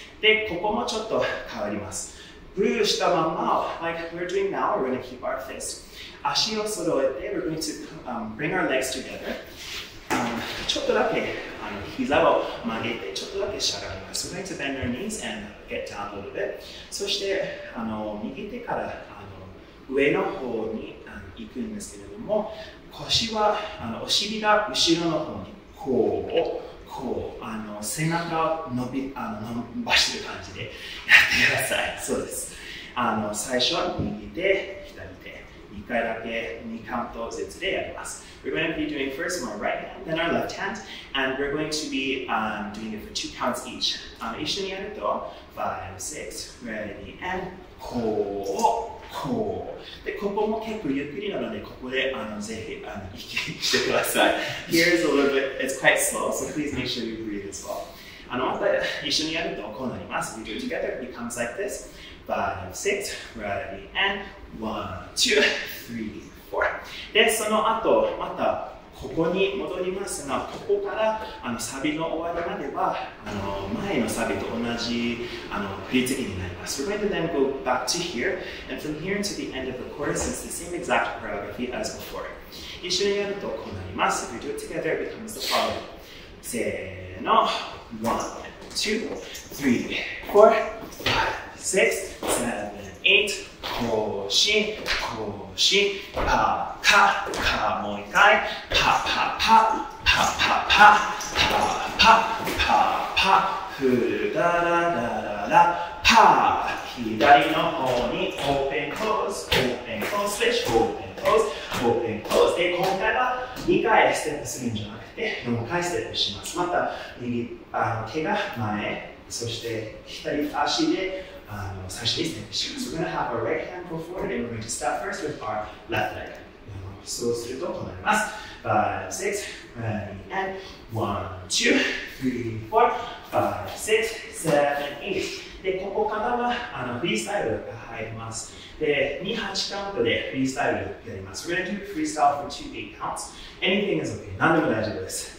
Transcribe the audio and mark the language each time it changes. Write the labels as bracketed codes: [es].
[ja] で、ここもちょっと変わります。ブルーしたまま、 [en] like we're doing now, we're going to keep our fist. [ja] 足を揃えて、 [en] we're going to bring our legs together. [ja] ちょっとだけ膝を曲げて、ちょっとだけしゃがみます。 [en] We're going to bend our knees and get down a little bit. [ja] そして、右手から上の方に行くんですけれども、腰は、お尻が後ろの方に、こう、こう、背中を伸ばしてる感じでやってください。そうです。最初は右手、 [en] We're going to be doing first our right hand, then our left hand, and we're going to be doing it for two counts each. [ja] 一緒にやると、five, six, ready, and こう、こう。で、ここも結構ゆっくりなので、ここでぜひ息してください。 [en] Here is a little bit, it's quite slow, so please make sure you breathe as well. [ja] また一緒にやるとこうなります。 [en] We do it together, it becomes like this. Five, six, ready, and one, two, three, four. [ja] で、その後、またここに戻りますが、ここからサビの終わりまでは、前のサビと同じ振り付けになります。 [en] We're going to then go back to here, and from here to the end of the chorus, it's the same exact choreography as before. [ja] 一緒にやるとこうなります。 [en] If we do it together, it becomes the following. [ja] せーの、one, two, three, four, five. [en] Six, seven, eight. [ja] 腰、腰、パカカ、もう一回、パパパ、パパパ、パパパパ、フダラダララ、パ。左の方に、 [en] open close, open close, switch, open close, open close. [ja] で今回は二回ステップするんじゃなくて、四回ステップします。また右手が前、そして左足で。最初にステップします。 [en] We're going to have our right hand go forward and we're going to start first with our left leg. [ja] そうするとこうなります。 [en] 5, 6, ready, and 1, 2, 3, 4, 5, 6, 7, 8. [ja] で、ここからはフリースタイルが入ります。で、2、8カウントでフリースタイルやります。 [en] We're going to do freestyle for 2, 8 counts. Anything is okay. [ja] 何でも大丈夫です。